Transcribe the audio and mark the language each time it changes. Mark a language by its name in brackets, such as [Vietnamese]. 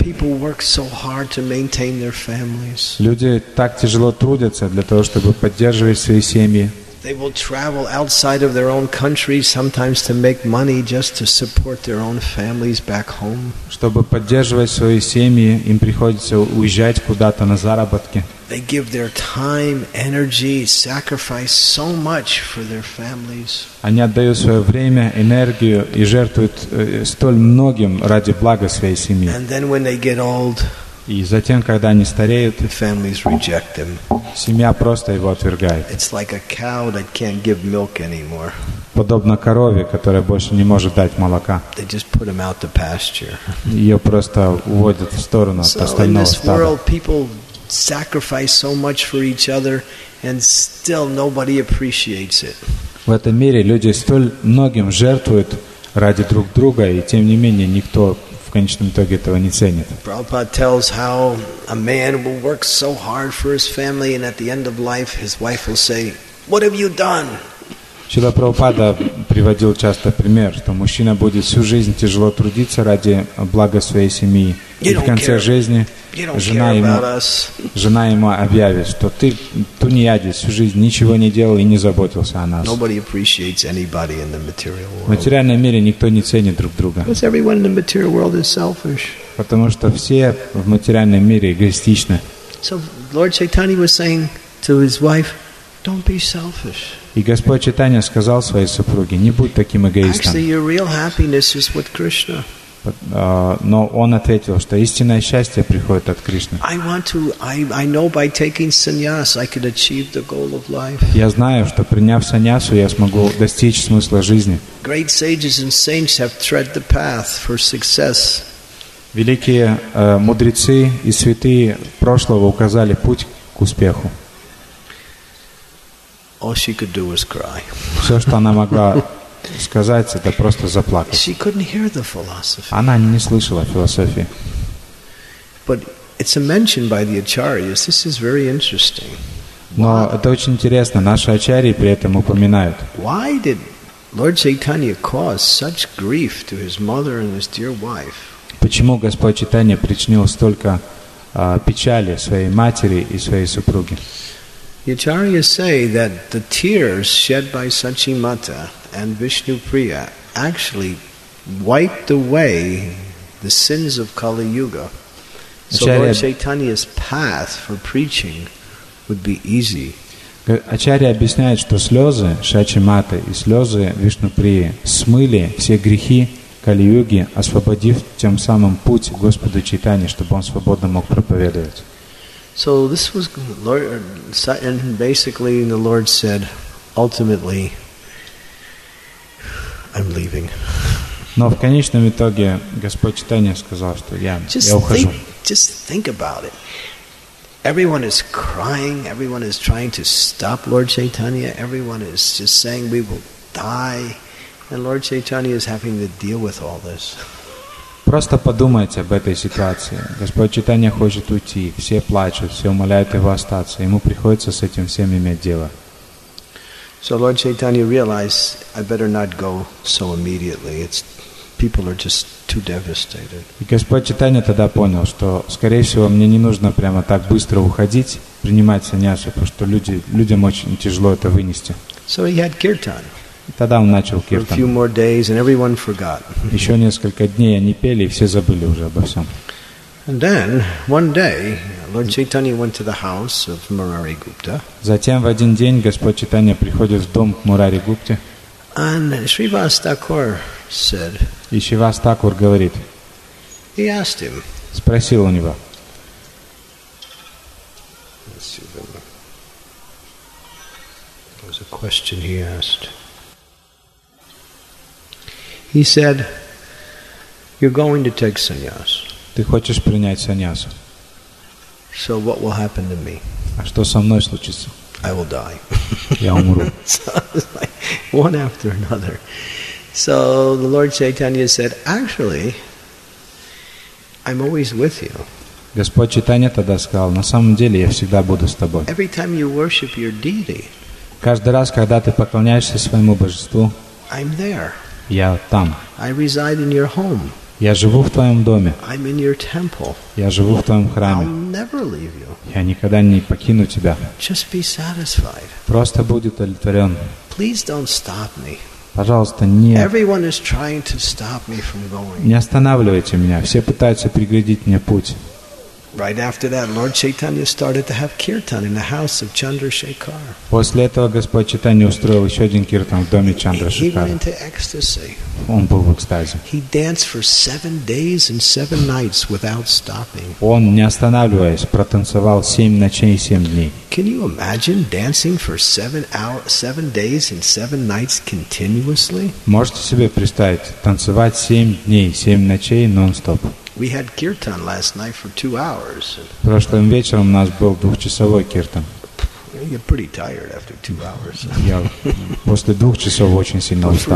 [English] People work so hard to maintain their families. [Russian] Люди так тяжело трудятся для того, чтобы поддерживать свои семьи. [English] They will travel outside of their own country sometimes to make money just to support their own families back home. [Russian] Чтобы поддерживать свои семьи, им приходится уезжать куда-то на заработки. [English] They give their time, energy, sacrifice so much for their families. [Russian] Они отдают свое время, энергию и жертвуют столь многим ради блага своей семьи. [English] And then when they get old, [Russian] и затем, когда они стареют, [English] the families reject them. [Russian] Семья просто его отвергает. [English] It's like a cow that can't give milk anymore. [Russian] Подобно корове, которая больше не может дать молока. [English] They just put them out to pasture. [Russian] Ее просто уводят в сторону от остального стада. [English] Sacrifice so much for each other, and still nobody appreciates it. [Russian] В этом мире люди столь многим жертвуют ради друг друга, и тем не менее никто в конечном итоге этого не ценит. [English] Prabhupada tells how a man will work so hard for his family, and at the end of life, his wife will say, "What have you done?" [Russian] Шрила Прабхупада приводил часто пример, что мужчина будет всю жизнь тяжело трудиться ради блага своей семьи. И в конце жизни жена ему объявит, что ты тунеядец, всю жизнь ничего не делал и не заботился о нас. [English] Nobody appreciates anybody in the material world. [Russian] В материальном мире никто не ценит друг друга. [English] Because everyone in the material world is selfish. [Russian] Потому что все в материальном мире эгоистичны. [English] So Lord Chaitanya was saying to his wife, don't be selfish. [Russian] И Господь Чайтанья сказал своей супруге, не будь таким эгоистом. [English] Actually, your real happiness is with Krishna. [Russian] Но он ответил, что истинное счастье приходит от Кришны. [English] I know by taking sannyas I could achieve the goal of life. [Russian] Я знаю, что приняв саньясу, я смогу достичь смысла жизни. [English] Great sages and saints have tread the path for success. [Russian] Великие мудрецы и святые прошлого указали путь к успеху. [English] All she could do was cry. [Russian] Все, что она могла сказать, это просто заплакать. [English] She couldn't hear the philosophy. [Russian] Она не слышала философии. [English] But it's a mention by the acharyas. This is very interesting. [Russian] Но это очень интересно. Наши ачарьи при этом упоминают. [English] Why did Lord Chaitanya cause such grief to his mother and his dear wife? [Russian] Почему Господь Чайтанья причинил столько печали своей матери и своей супруге? [English] The acharyas say that the tears shed by Sachimata and Vishnupriya actually wiped away the sins of Kali Yuga. So Lord Chaitanya's path for preaching would be easy. [Russian] Ачарья объясняет, что слезы Сачимата и слезы Вишнуприи смыли все грехи Кали-Юги, освободив тем самым путь Господу Чайтанье, чтобы он свободно мог проповедовать. [English] So this was Lord, and basically the Lord said, ultimately, I'm leaving. [Russian] Но в конечном итоге Господь Чайтанья сказал, что я ухожу. [English] Just think about it. Everyone is crying. Everyone is trying to stop Lord Chaitanya. Everyone is just saying, we will die. And Lord Chaitanya is having to deal with all this. [Russian] Просто подумайте об этой ситуации. Господь Чайтанья хочет уйти. Все плачут, все умоляют его остаться. Ему приходится с этим всем иметь дело. [English] So Lord Chaitanya realized, I better not go so immediately. People are just too devastated. [Russian] И Господь Чайтанья тогда понял, что, скорее всего, мне не нужно прямо так быстро уходить, принимать саньясу, потому что людям очень тяжело это вынести. [English] So he had kirtan. [Russian] Тогда он начал киртан. [English] For a few more days, and everyone forgot. [Russian] Еще несколько дней они пели, и все забыли уже обо всем. [English] And then, one day, Lord Chaitanya went to the house of Murari Gupta. [Russian] Затем в один день Господь Чайтанья приходит в дом к Мурари Гупте. [English] And Shrivas Thakur said. [Russian] И Шривас Такур говорит. [English] He asked him. [Russian] Спросил у него. [English] Let's see. There was a question he asked. He said, "You're going to take sannyas." [Russian] Ты хочешь принять саньясу? [English] So what will happen to me? [Russian] А что со мной случится? [English] I will die. [Russian] Я умру. [English] So, one after another. So the Lord Chaitanya said, "Actually, I'm always with you." [Russian] Господь Чайтанья тогда сказал: "На самом деле я всегда буду с тобой." [English] Every time you worship your deity. [Russian] Каждый раз, когда ты поклоняешься своему божеству. [English] I'm there. [Russian] Я там. [English] I reside in your home. [Russian] Я живу в твоем доме. [English] I'm in your temple. [Russian] Я живу в твоем храме. [English] I'll never leave you. [Russian] Я никогда не покину тебя. [English] Just be satisfied. [Russian] Просто будь удовлетворен. [English] Please don't stop me. [Russian] Пожалуйста, не. [English] Everyone is trying to stop me from going. [Russian] Не останавливайте меня. Все пытаются преградить мне путь. [English] Right after that, Lord Chaitanya started to have kirtan in the house of Chandrasekhar. [Russian] После этого Господь Чайтанья устроил еще один киртан в доме Чандрашекара. [English] He went into ecstasy. [Russian] Он был в экстазе. [English] He danced for 7 days and 7 nights without stopping. [Russian] Он не останавливаясь протанцевал 7 ночей и 7 дней. [English] Can you imagine dancing for 7 days and 7 nights continuously? [Russian] Можете себе представить танцевать 7 дней 7 ночей нон-стоп? [English] We had kirtan last night for 2 hours. [Russian] Прошлым вечером у нас был двухчасовой киртан. [English] You're pretty tired after 2 hours. [Russian] Я после 2 часов очень сильно устал.